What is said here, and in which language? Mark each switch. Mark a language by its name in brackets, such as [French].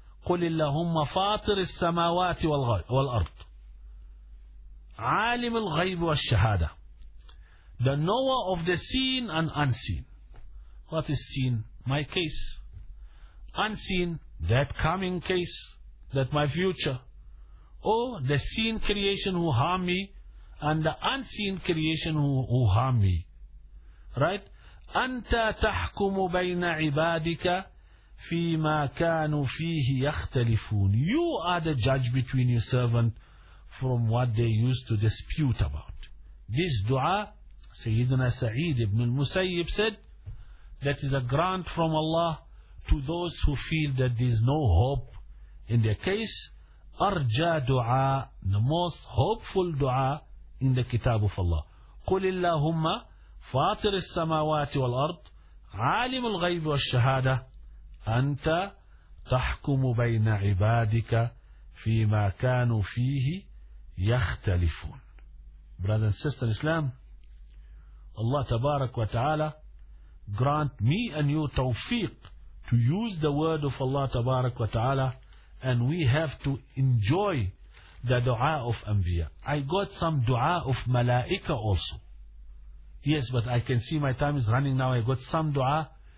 [Arabic] قُلِ اللَّهُمَّ فَاطِرِ السَّمَاوَاتِ وَالْأَرْضِ عَالِمِ الْغَيْبِ وَالشَّهَادَةِ, [English] the knower of the seen and unseen. What is seen? My case. Unseen, that coming case, that my future. Oh, the seen creation who harm me and the unseen creation who harm me. Right? [Arabic] أَنْتَ تَحْكُمُ بَيْنَ عِبَادِكَ فِيمَا كَانُوا فِيهِ يَخْتَلِفُونَ. [English] You are the judge between your servant from what they used to dispute about. This dua, Sayyidina Sa'id ibn al-Musayyib said, that is a grant from Allah to those who feel that there is no hope in their case. [Arabic] أرجى دعاء, [English] the most hopeful dua in the kitab of Allah. [Arabic] قُلِ اللَّهُمَّ فَاطِرِ السَّمَاوَاتِ وَالْأَرْضِ عَالِمُ الْغَيْبِ وَالشَّهَادَةِ أنت تحكم بين عبادك فيما كانوا فيه يختلفون. [English] Brother and sister in Islam, Allah تبارك وتعالى grant me and you tawfiq to use the word of Allah تبارك وتعالى, and we have to enjoy the dua of Anbiya. I got some dua of Malaika also. Yes, but I can see my time is running now. I got some dua.